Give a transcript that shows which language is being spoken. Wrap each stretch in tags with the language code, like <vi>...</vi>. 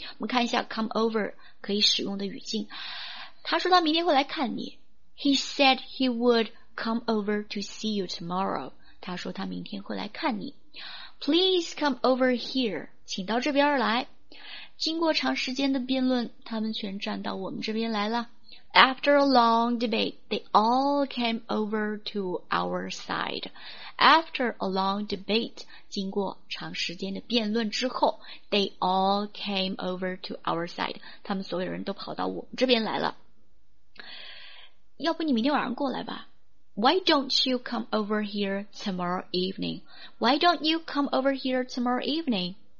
<zh>我们看一下 come over 可以使用的语境，他说他明天会来看你，</zh> <en>he said he would come over to see you tomorrow，</en> <zh>他说他明天会来看你。</zh> <en>please come over here，</en> <zh>请到这边来。经过长时间的辩论，他们全站到我们这边来了。</zh> <en>After a long debate, they all came over to our side. After a long debate,</en> <zh>经过长时间的辩论之后，</zh> <en>they all came over to our side.</en> <zh>他们所有人都跑到我们这边来了。要不你明天晚上过来吧。</zh> <en>Why don't you come over here tomorrow evening? Why don't you come over here tomorrow evening?</en>